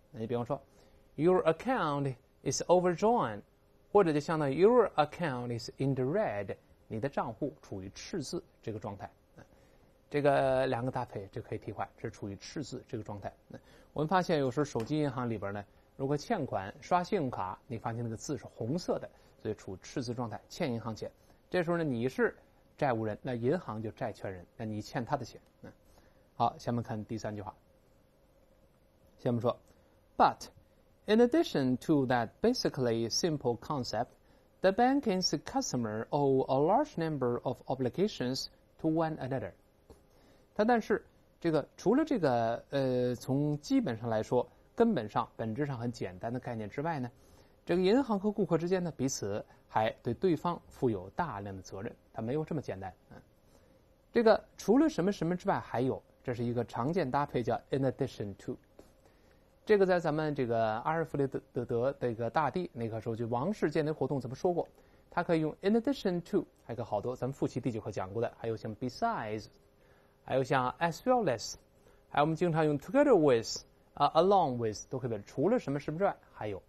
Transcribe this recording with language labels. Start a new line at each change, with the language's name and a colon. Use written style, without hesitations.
Chinese: 那你比方说
English: your account is overdrawn，
Chinese: 或者就相当于
English: your account is in the red，
Chinese: 你的账户处于赤字这个状态，这个两个搭配就可以替换，是处于赤字这个状态。我们发现有时候手机银行里边呢，如果欠款刷信用卡，你发现那个字是红色的，所以处于赤字状态，欠银行钱。这时候呢，你是债务人，那银行就债权人，那你欠他的钱。好，下面看第三句话。下面说
English: ，But in addition to that basically simple concept, the bank and its customer owe a large number of obligations to one another.
Chinese: 他但是这个除了这个从基本上来说根本上本质上很简单的概念之外呢，这个银行和顾客之间呢彼此还对对方负有大量的责任，他没有这么简单。这个除了什么什么之外还有，这是一个常见搭配叫 in addition to， 这个在咱们这个阿尔弗雷德的这个大帝那个时候就王室建立活动怎么说过，他可以用 in addition to， 还有好多咱们复习第九课讲过的，还有像 besides，还有像 as well as， 还有我们经常用 together with、along with 都可以表示除了什么什么之外还有。